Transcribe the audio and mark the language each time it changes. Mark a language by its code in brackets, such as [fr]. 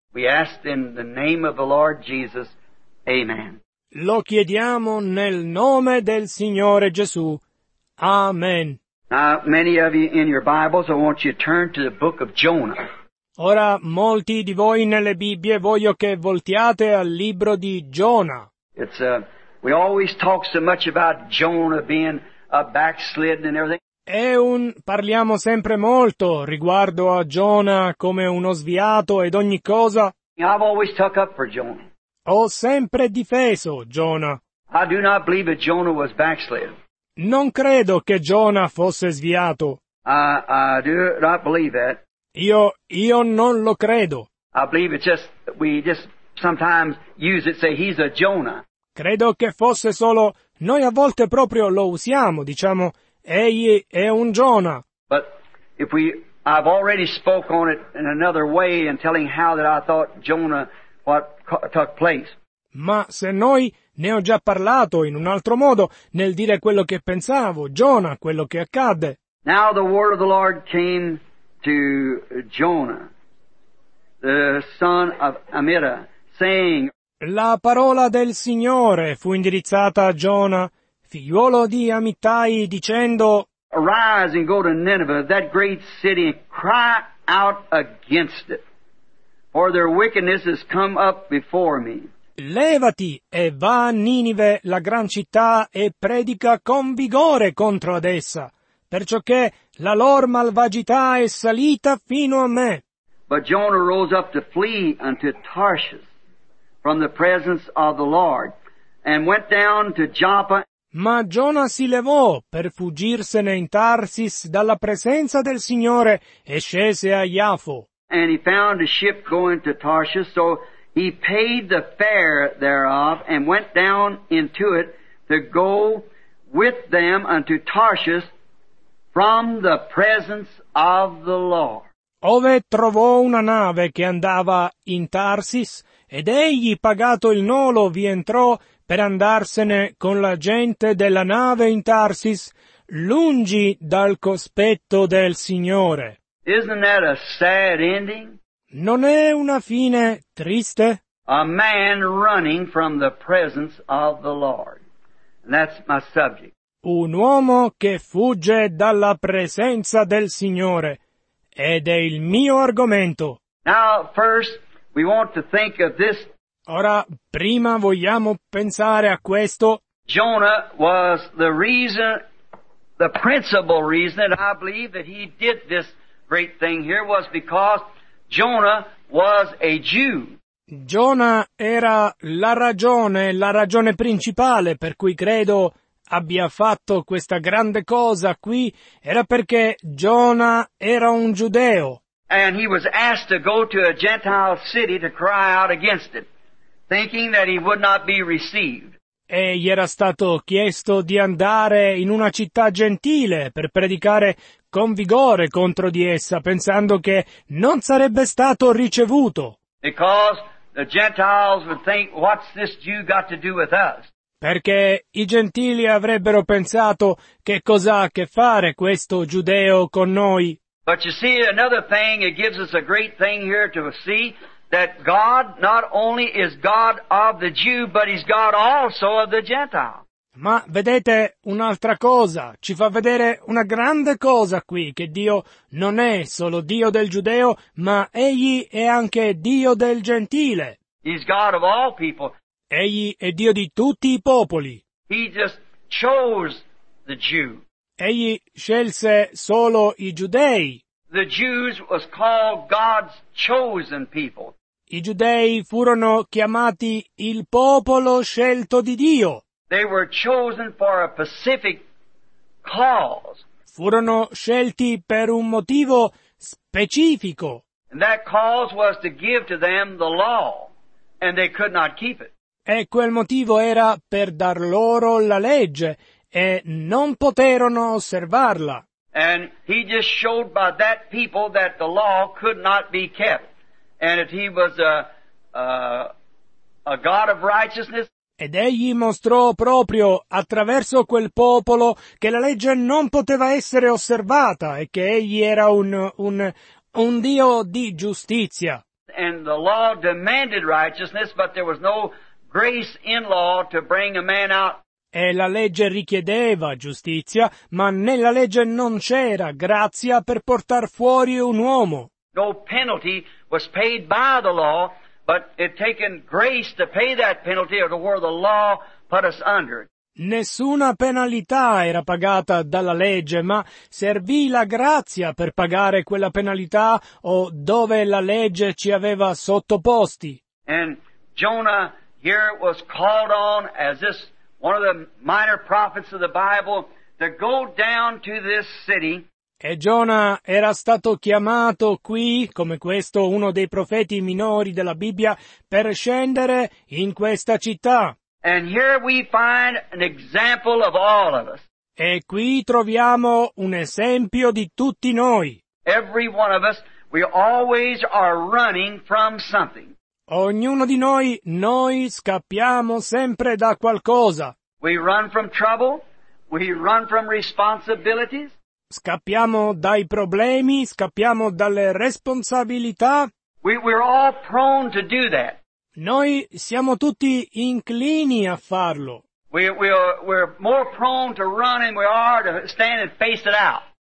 [en] We ask in the name of the Lord Jesus. Amen. [it] Lo chiediamo nel nome del Signore Gesù. Amen. [en] Now, many of you in your Bibles, I want you to turn to the book of Jonah. [it] Ora, molti di voi nelle Bibbie, voglio che voltiate al libro di Giona. [en] We always talk so much about Jonah being a backslidden and everything. [it] Parliamo sempre molto riguardo a Giona come uno sviato ed ogni cosa. [en] I've always stuck up for Jonah. [it] Ho sempre difeso Giona. [en] I do not believe that Jonah was backslidden. [it] Non credo che Giona fosse sviato. [en] I do not believe that. [it] Io non lo credo. [en] I believe it's just we just sometimes use it, say he's a Jonah. [it] Credo che fosse solo, noi a volte proprio lo usiamo, diciamo, egli è un Giona. [en] But if I've already spoke on it in another way in telling how that I thought Jonah what took place. [it] Ma se noi, ne ho già parlato in un altro modo, nel dire quello che pensavo, Giona, quello che accadde. [en] Now the word of the Lord came to Jonah, the son of Amittai, saying... [it] La parola del Signore fu indirizzata a Giona, figliuolo di Amittai, dicendo: [en] Arise and go to Nineveh, that great city, and cry out against it, for their wickedness has come up before me. [it] Levati e va a Ninive, la gran città, e predica con vigore contro ad essa, perciò che la loro malvagità è salita fino a me. [en] But Jonah rose up to flee unto Tarshish from the presence of the Lord, and went down to Joppa. [it] Ma Giona si levò per fuggirsene in Tarsis dalla presenza del Signore e scese a Jafo. [en] And he found a ship going to Tarshish, so he paid the fare thereof and went down into it to go with them unto Tarshish from the presence of the Lord. [it] Ove trovò una nave che andava in Tarsis, ed egli, pagato il nolo, vi entrò per andarsene con la gente della nave in Tarsis, lungi dal cospetto del Signore. [en] Isn't that a sad ending? [it] Non è una fine triste? [en] A man running from the presence of the Lord. And that's my subject. [it] Un uomo che fugge dalla presenza del Signore. Ed è il mio argomento. [en] Now, first, we want to think of this. [it] Ora, prima vogliamo pensare a questo. [en] Jonah was the reason, the principal reason that I believe that he did this great thing here was because Jonah was a Jew. [it] Jonah era la ragione principale per cui credo abbia fatto questa grande cosa qui era perché Giona era un giudeo. [en] And he was asked to go to a Gentile city to cry out against it, thinking that he would not be received. [it] E gli era stato chiesto di andare in una città gentile per predicare con vigore contro di essa, pensando che non sarebbe stato ricevuto. [en] Because the Gentiles would think, what's this Jew got to do with us? [it] Perché i gentili avrebbero pensato che cosa ha a che fare questo giudeo con noi. [en] But you see, another thing, it gives us a great thing here to see that God not only is God of the Jew, but he's God also of the Gentile. [it] Ma vedete un'altra cosa, ci fa vedere una grande cosa qui, che Dio non è solo Dio del giudeo, ma Egli è anche Dio del gentile. [en] He's God of all people. [it] Egli è Dio di tutti i popoli. [en] He just chose the Jew. [it] Egli scelse solo i giudei. [en] The Jews was called God's chosen people. [it] I giudei furono chiamati il popolo scelto di Dio. [en] They were chosen for a specific cause. [it] Furono scelti per un motivo specifico. [en] And that cause was to give to them the law, and they could not keep it. [it] E quel motivo era per dar loro la legge, e non poterono osservarla. [en] And he just showed by that people that the law could not be kept. And if he was a God of righteousness, [it] ed egli mostrò proprio attraverso quel popolo che la legge non poteva essere osservata e che egli era un Dio di giustizia. [en] And the law demanded righteousness, but there was no grace in law to bring a man out. [it] E la legge richiedeva giustizia, ma nella legge non c'era grazia per portar fuori un uomo. [en] No penalty was paid by the law. But it taken grace to pay that penalty, or to where the law put us under. [it] Nessuna penalità era pagata dalla legge, ma servì la grazia per pagare quella penalità o dove la legge ci aveva sottoposti. [en] And Jonah here was called on as this one of the minor prophets of the Bible to go down to this city. [it] E Giona era stato chiamato qui, come questo uno dei profeti minori della Bibbia, per scendere in questa città. [en] And here we find an example of all of us. [it] E qui troviamo un esempio di tutti noi. [en] Every one of us, we always are running from something. [it] Ognuno di noi, noi scappiamo sempre da qualcosa. [en] We run from trouble, we run from responsibilities. [it] Scappiamo dai problemi, scappiamo dalle responsabilità. [en] We're all prone to do that. [it] Noi siamo tutti inclini a farlo. [en] We're more prone to run than we are to stand and face it out.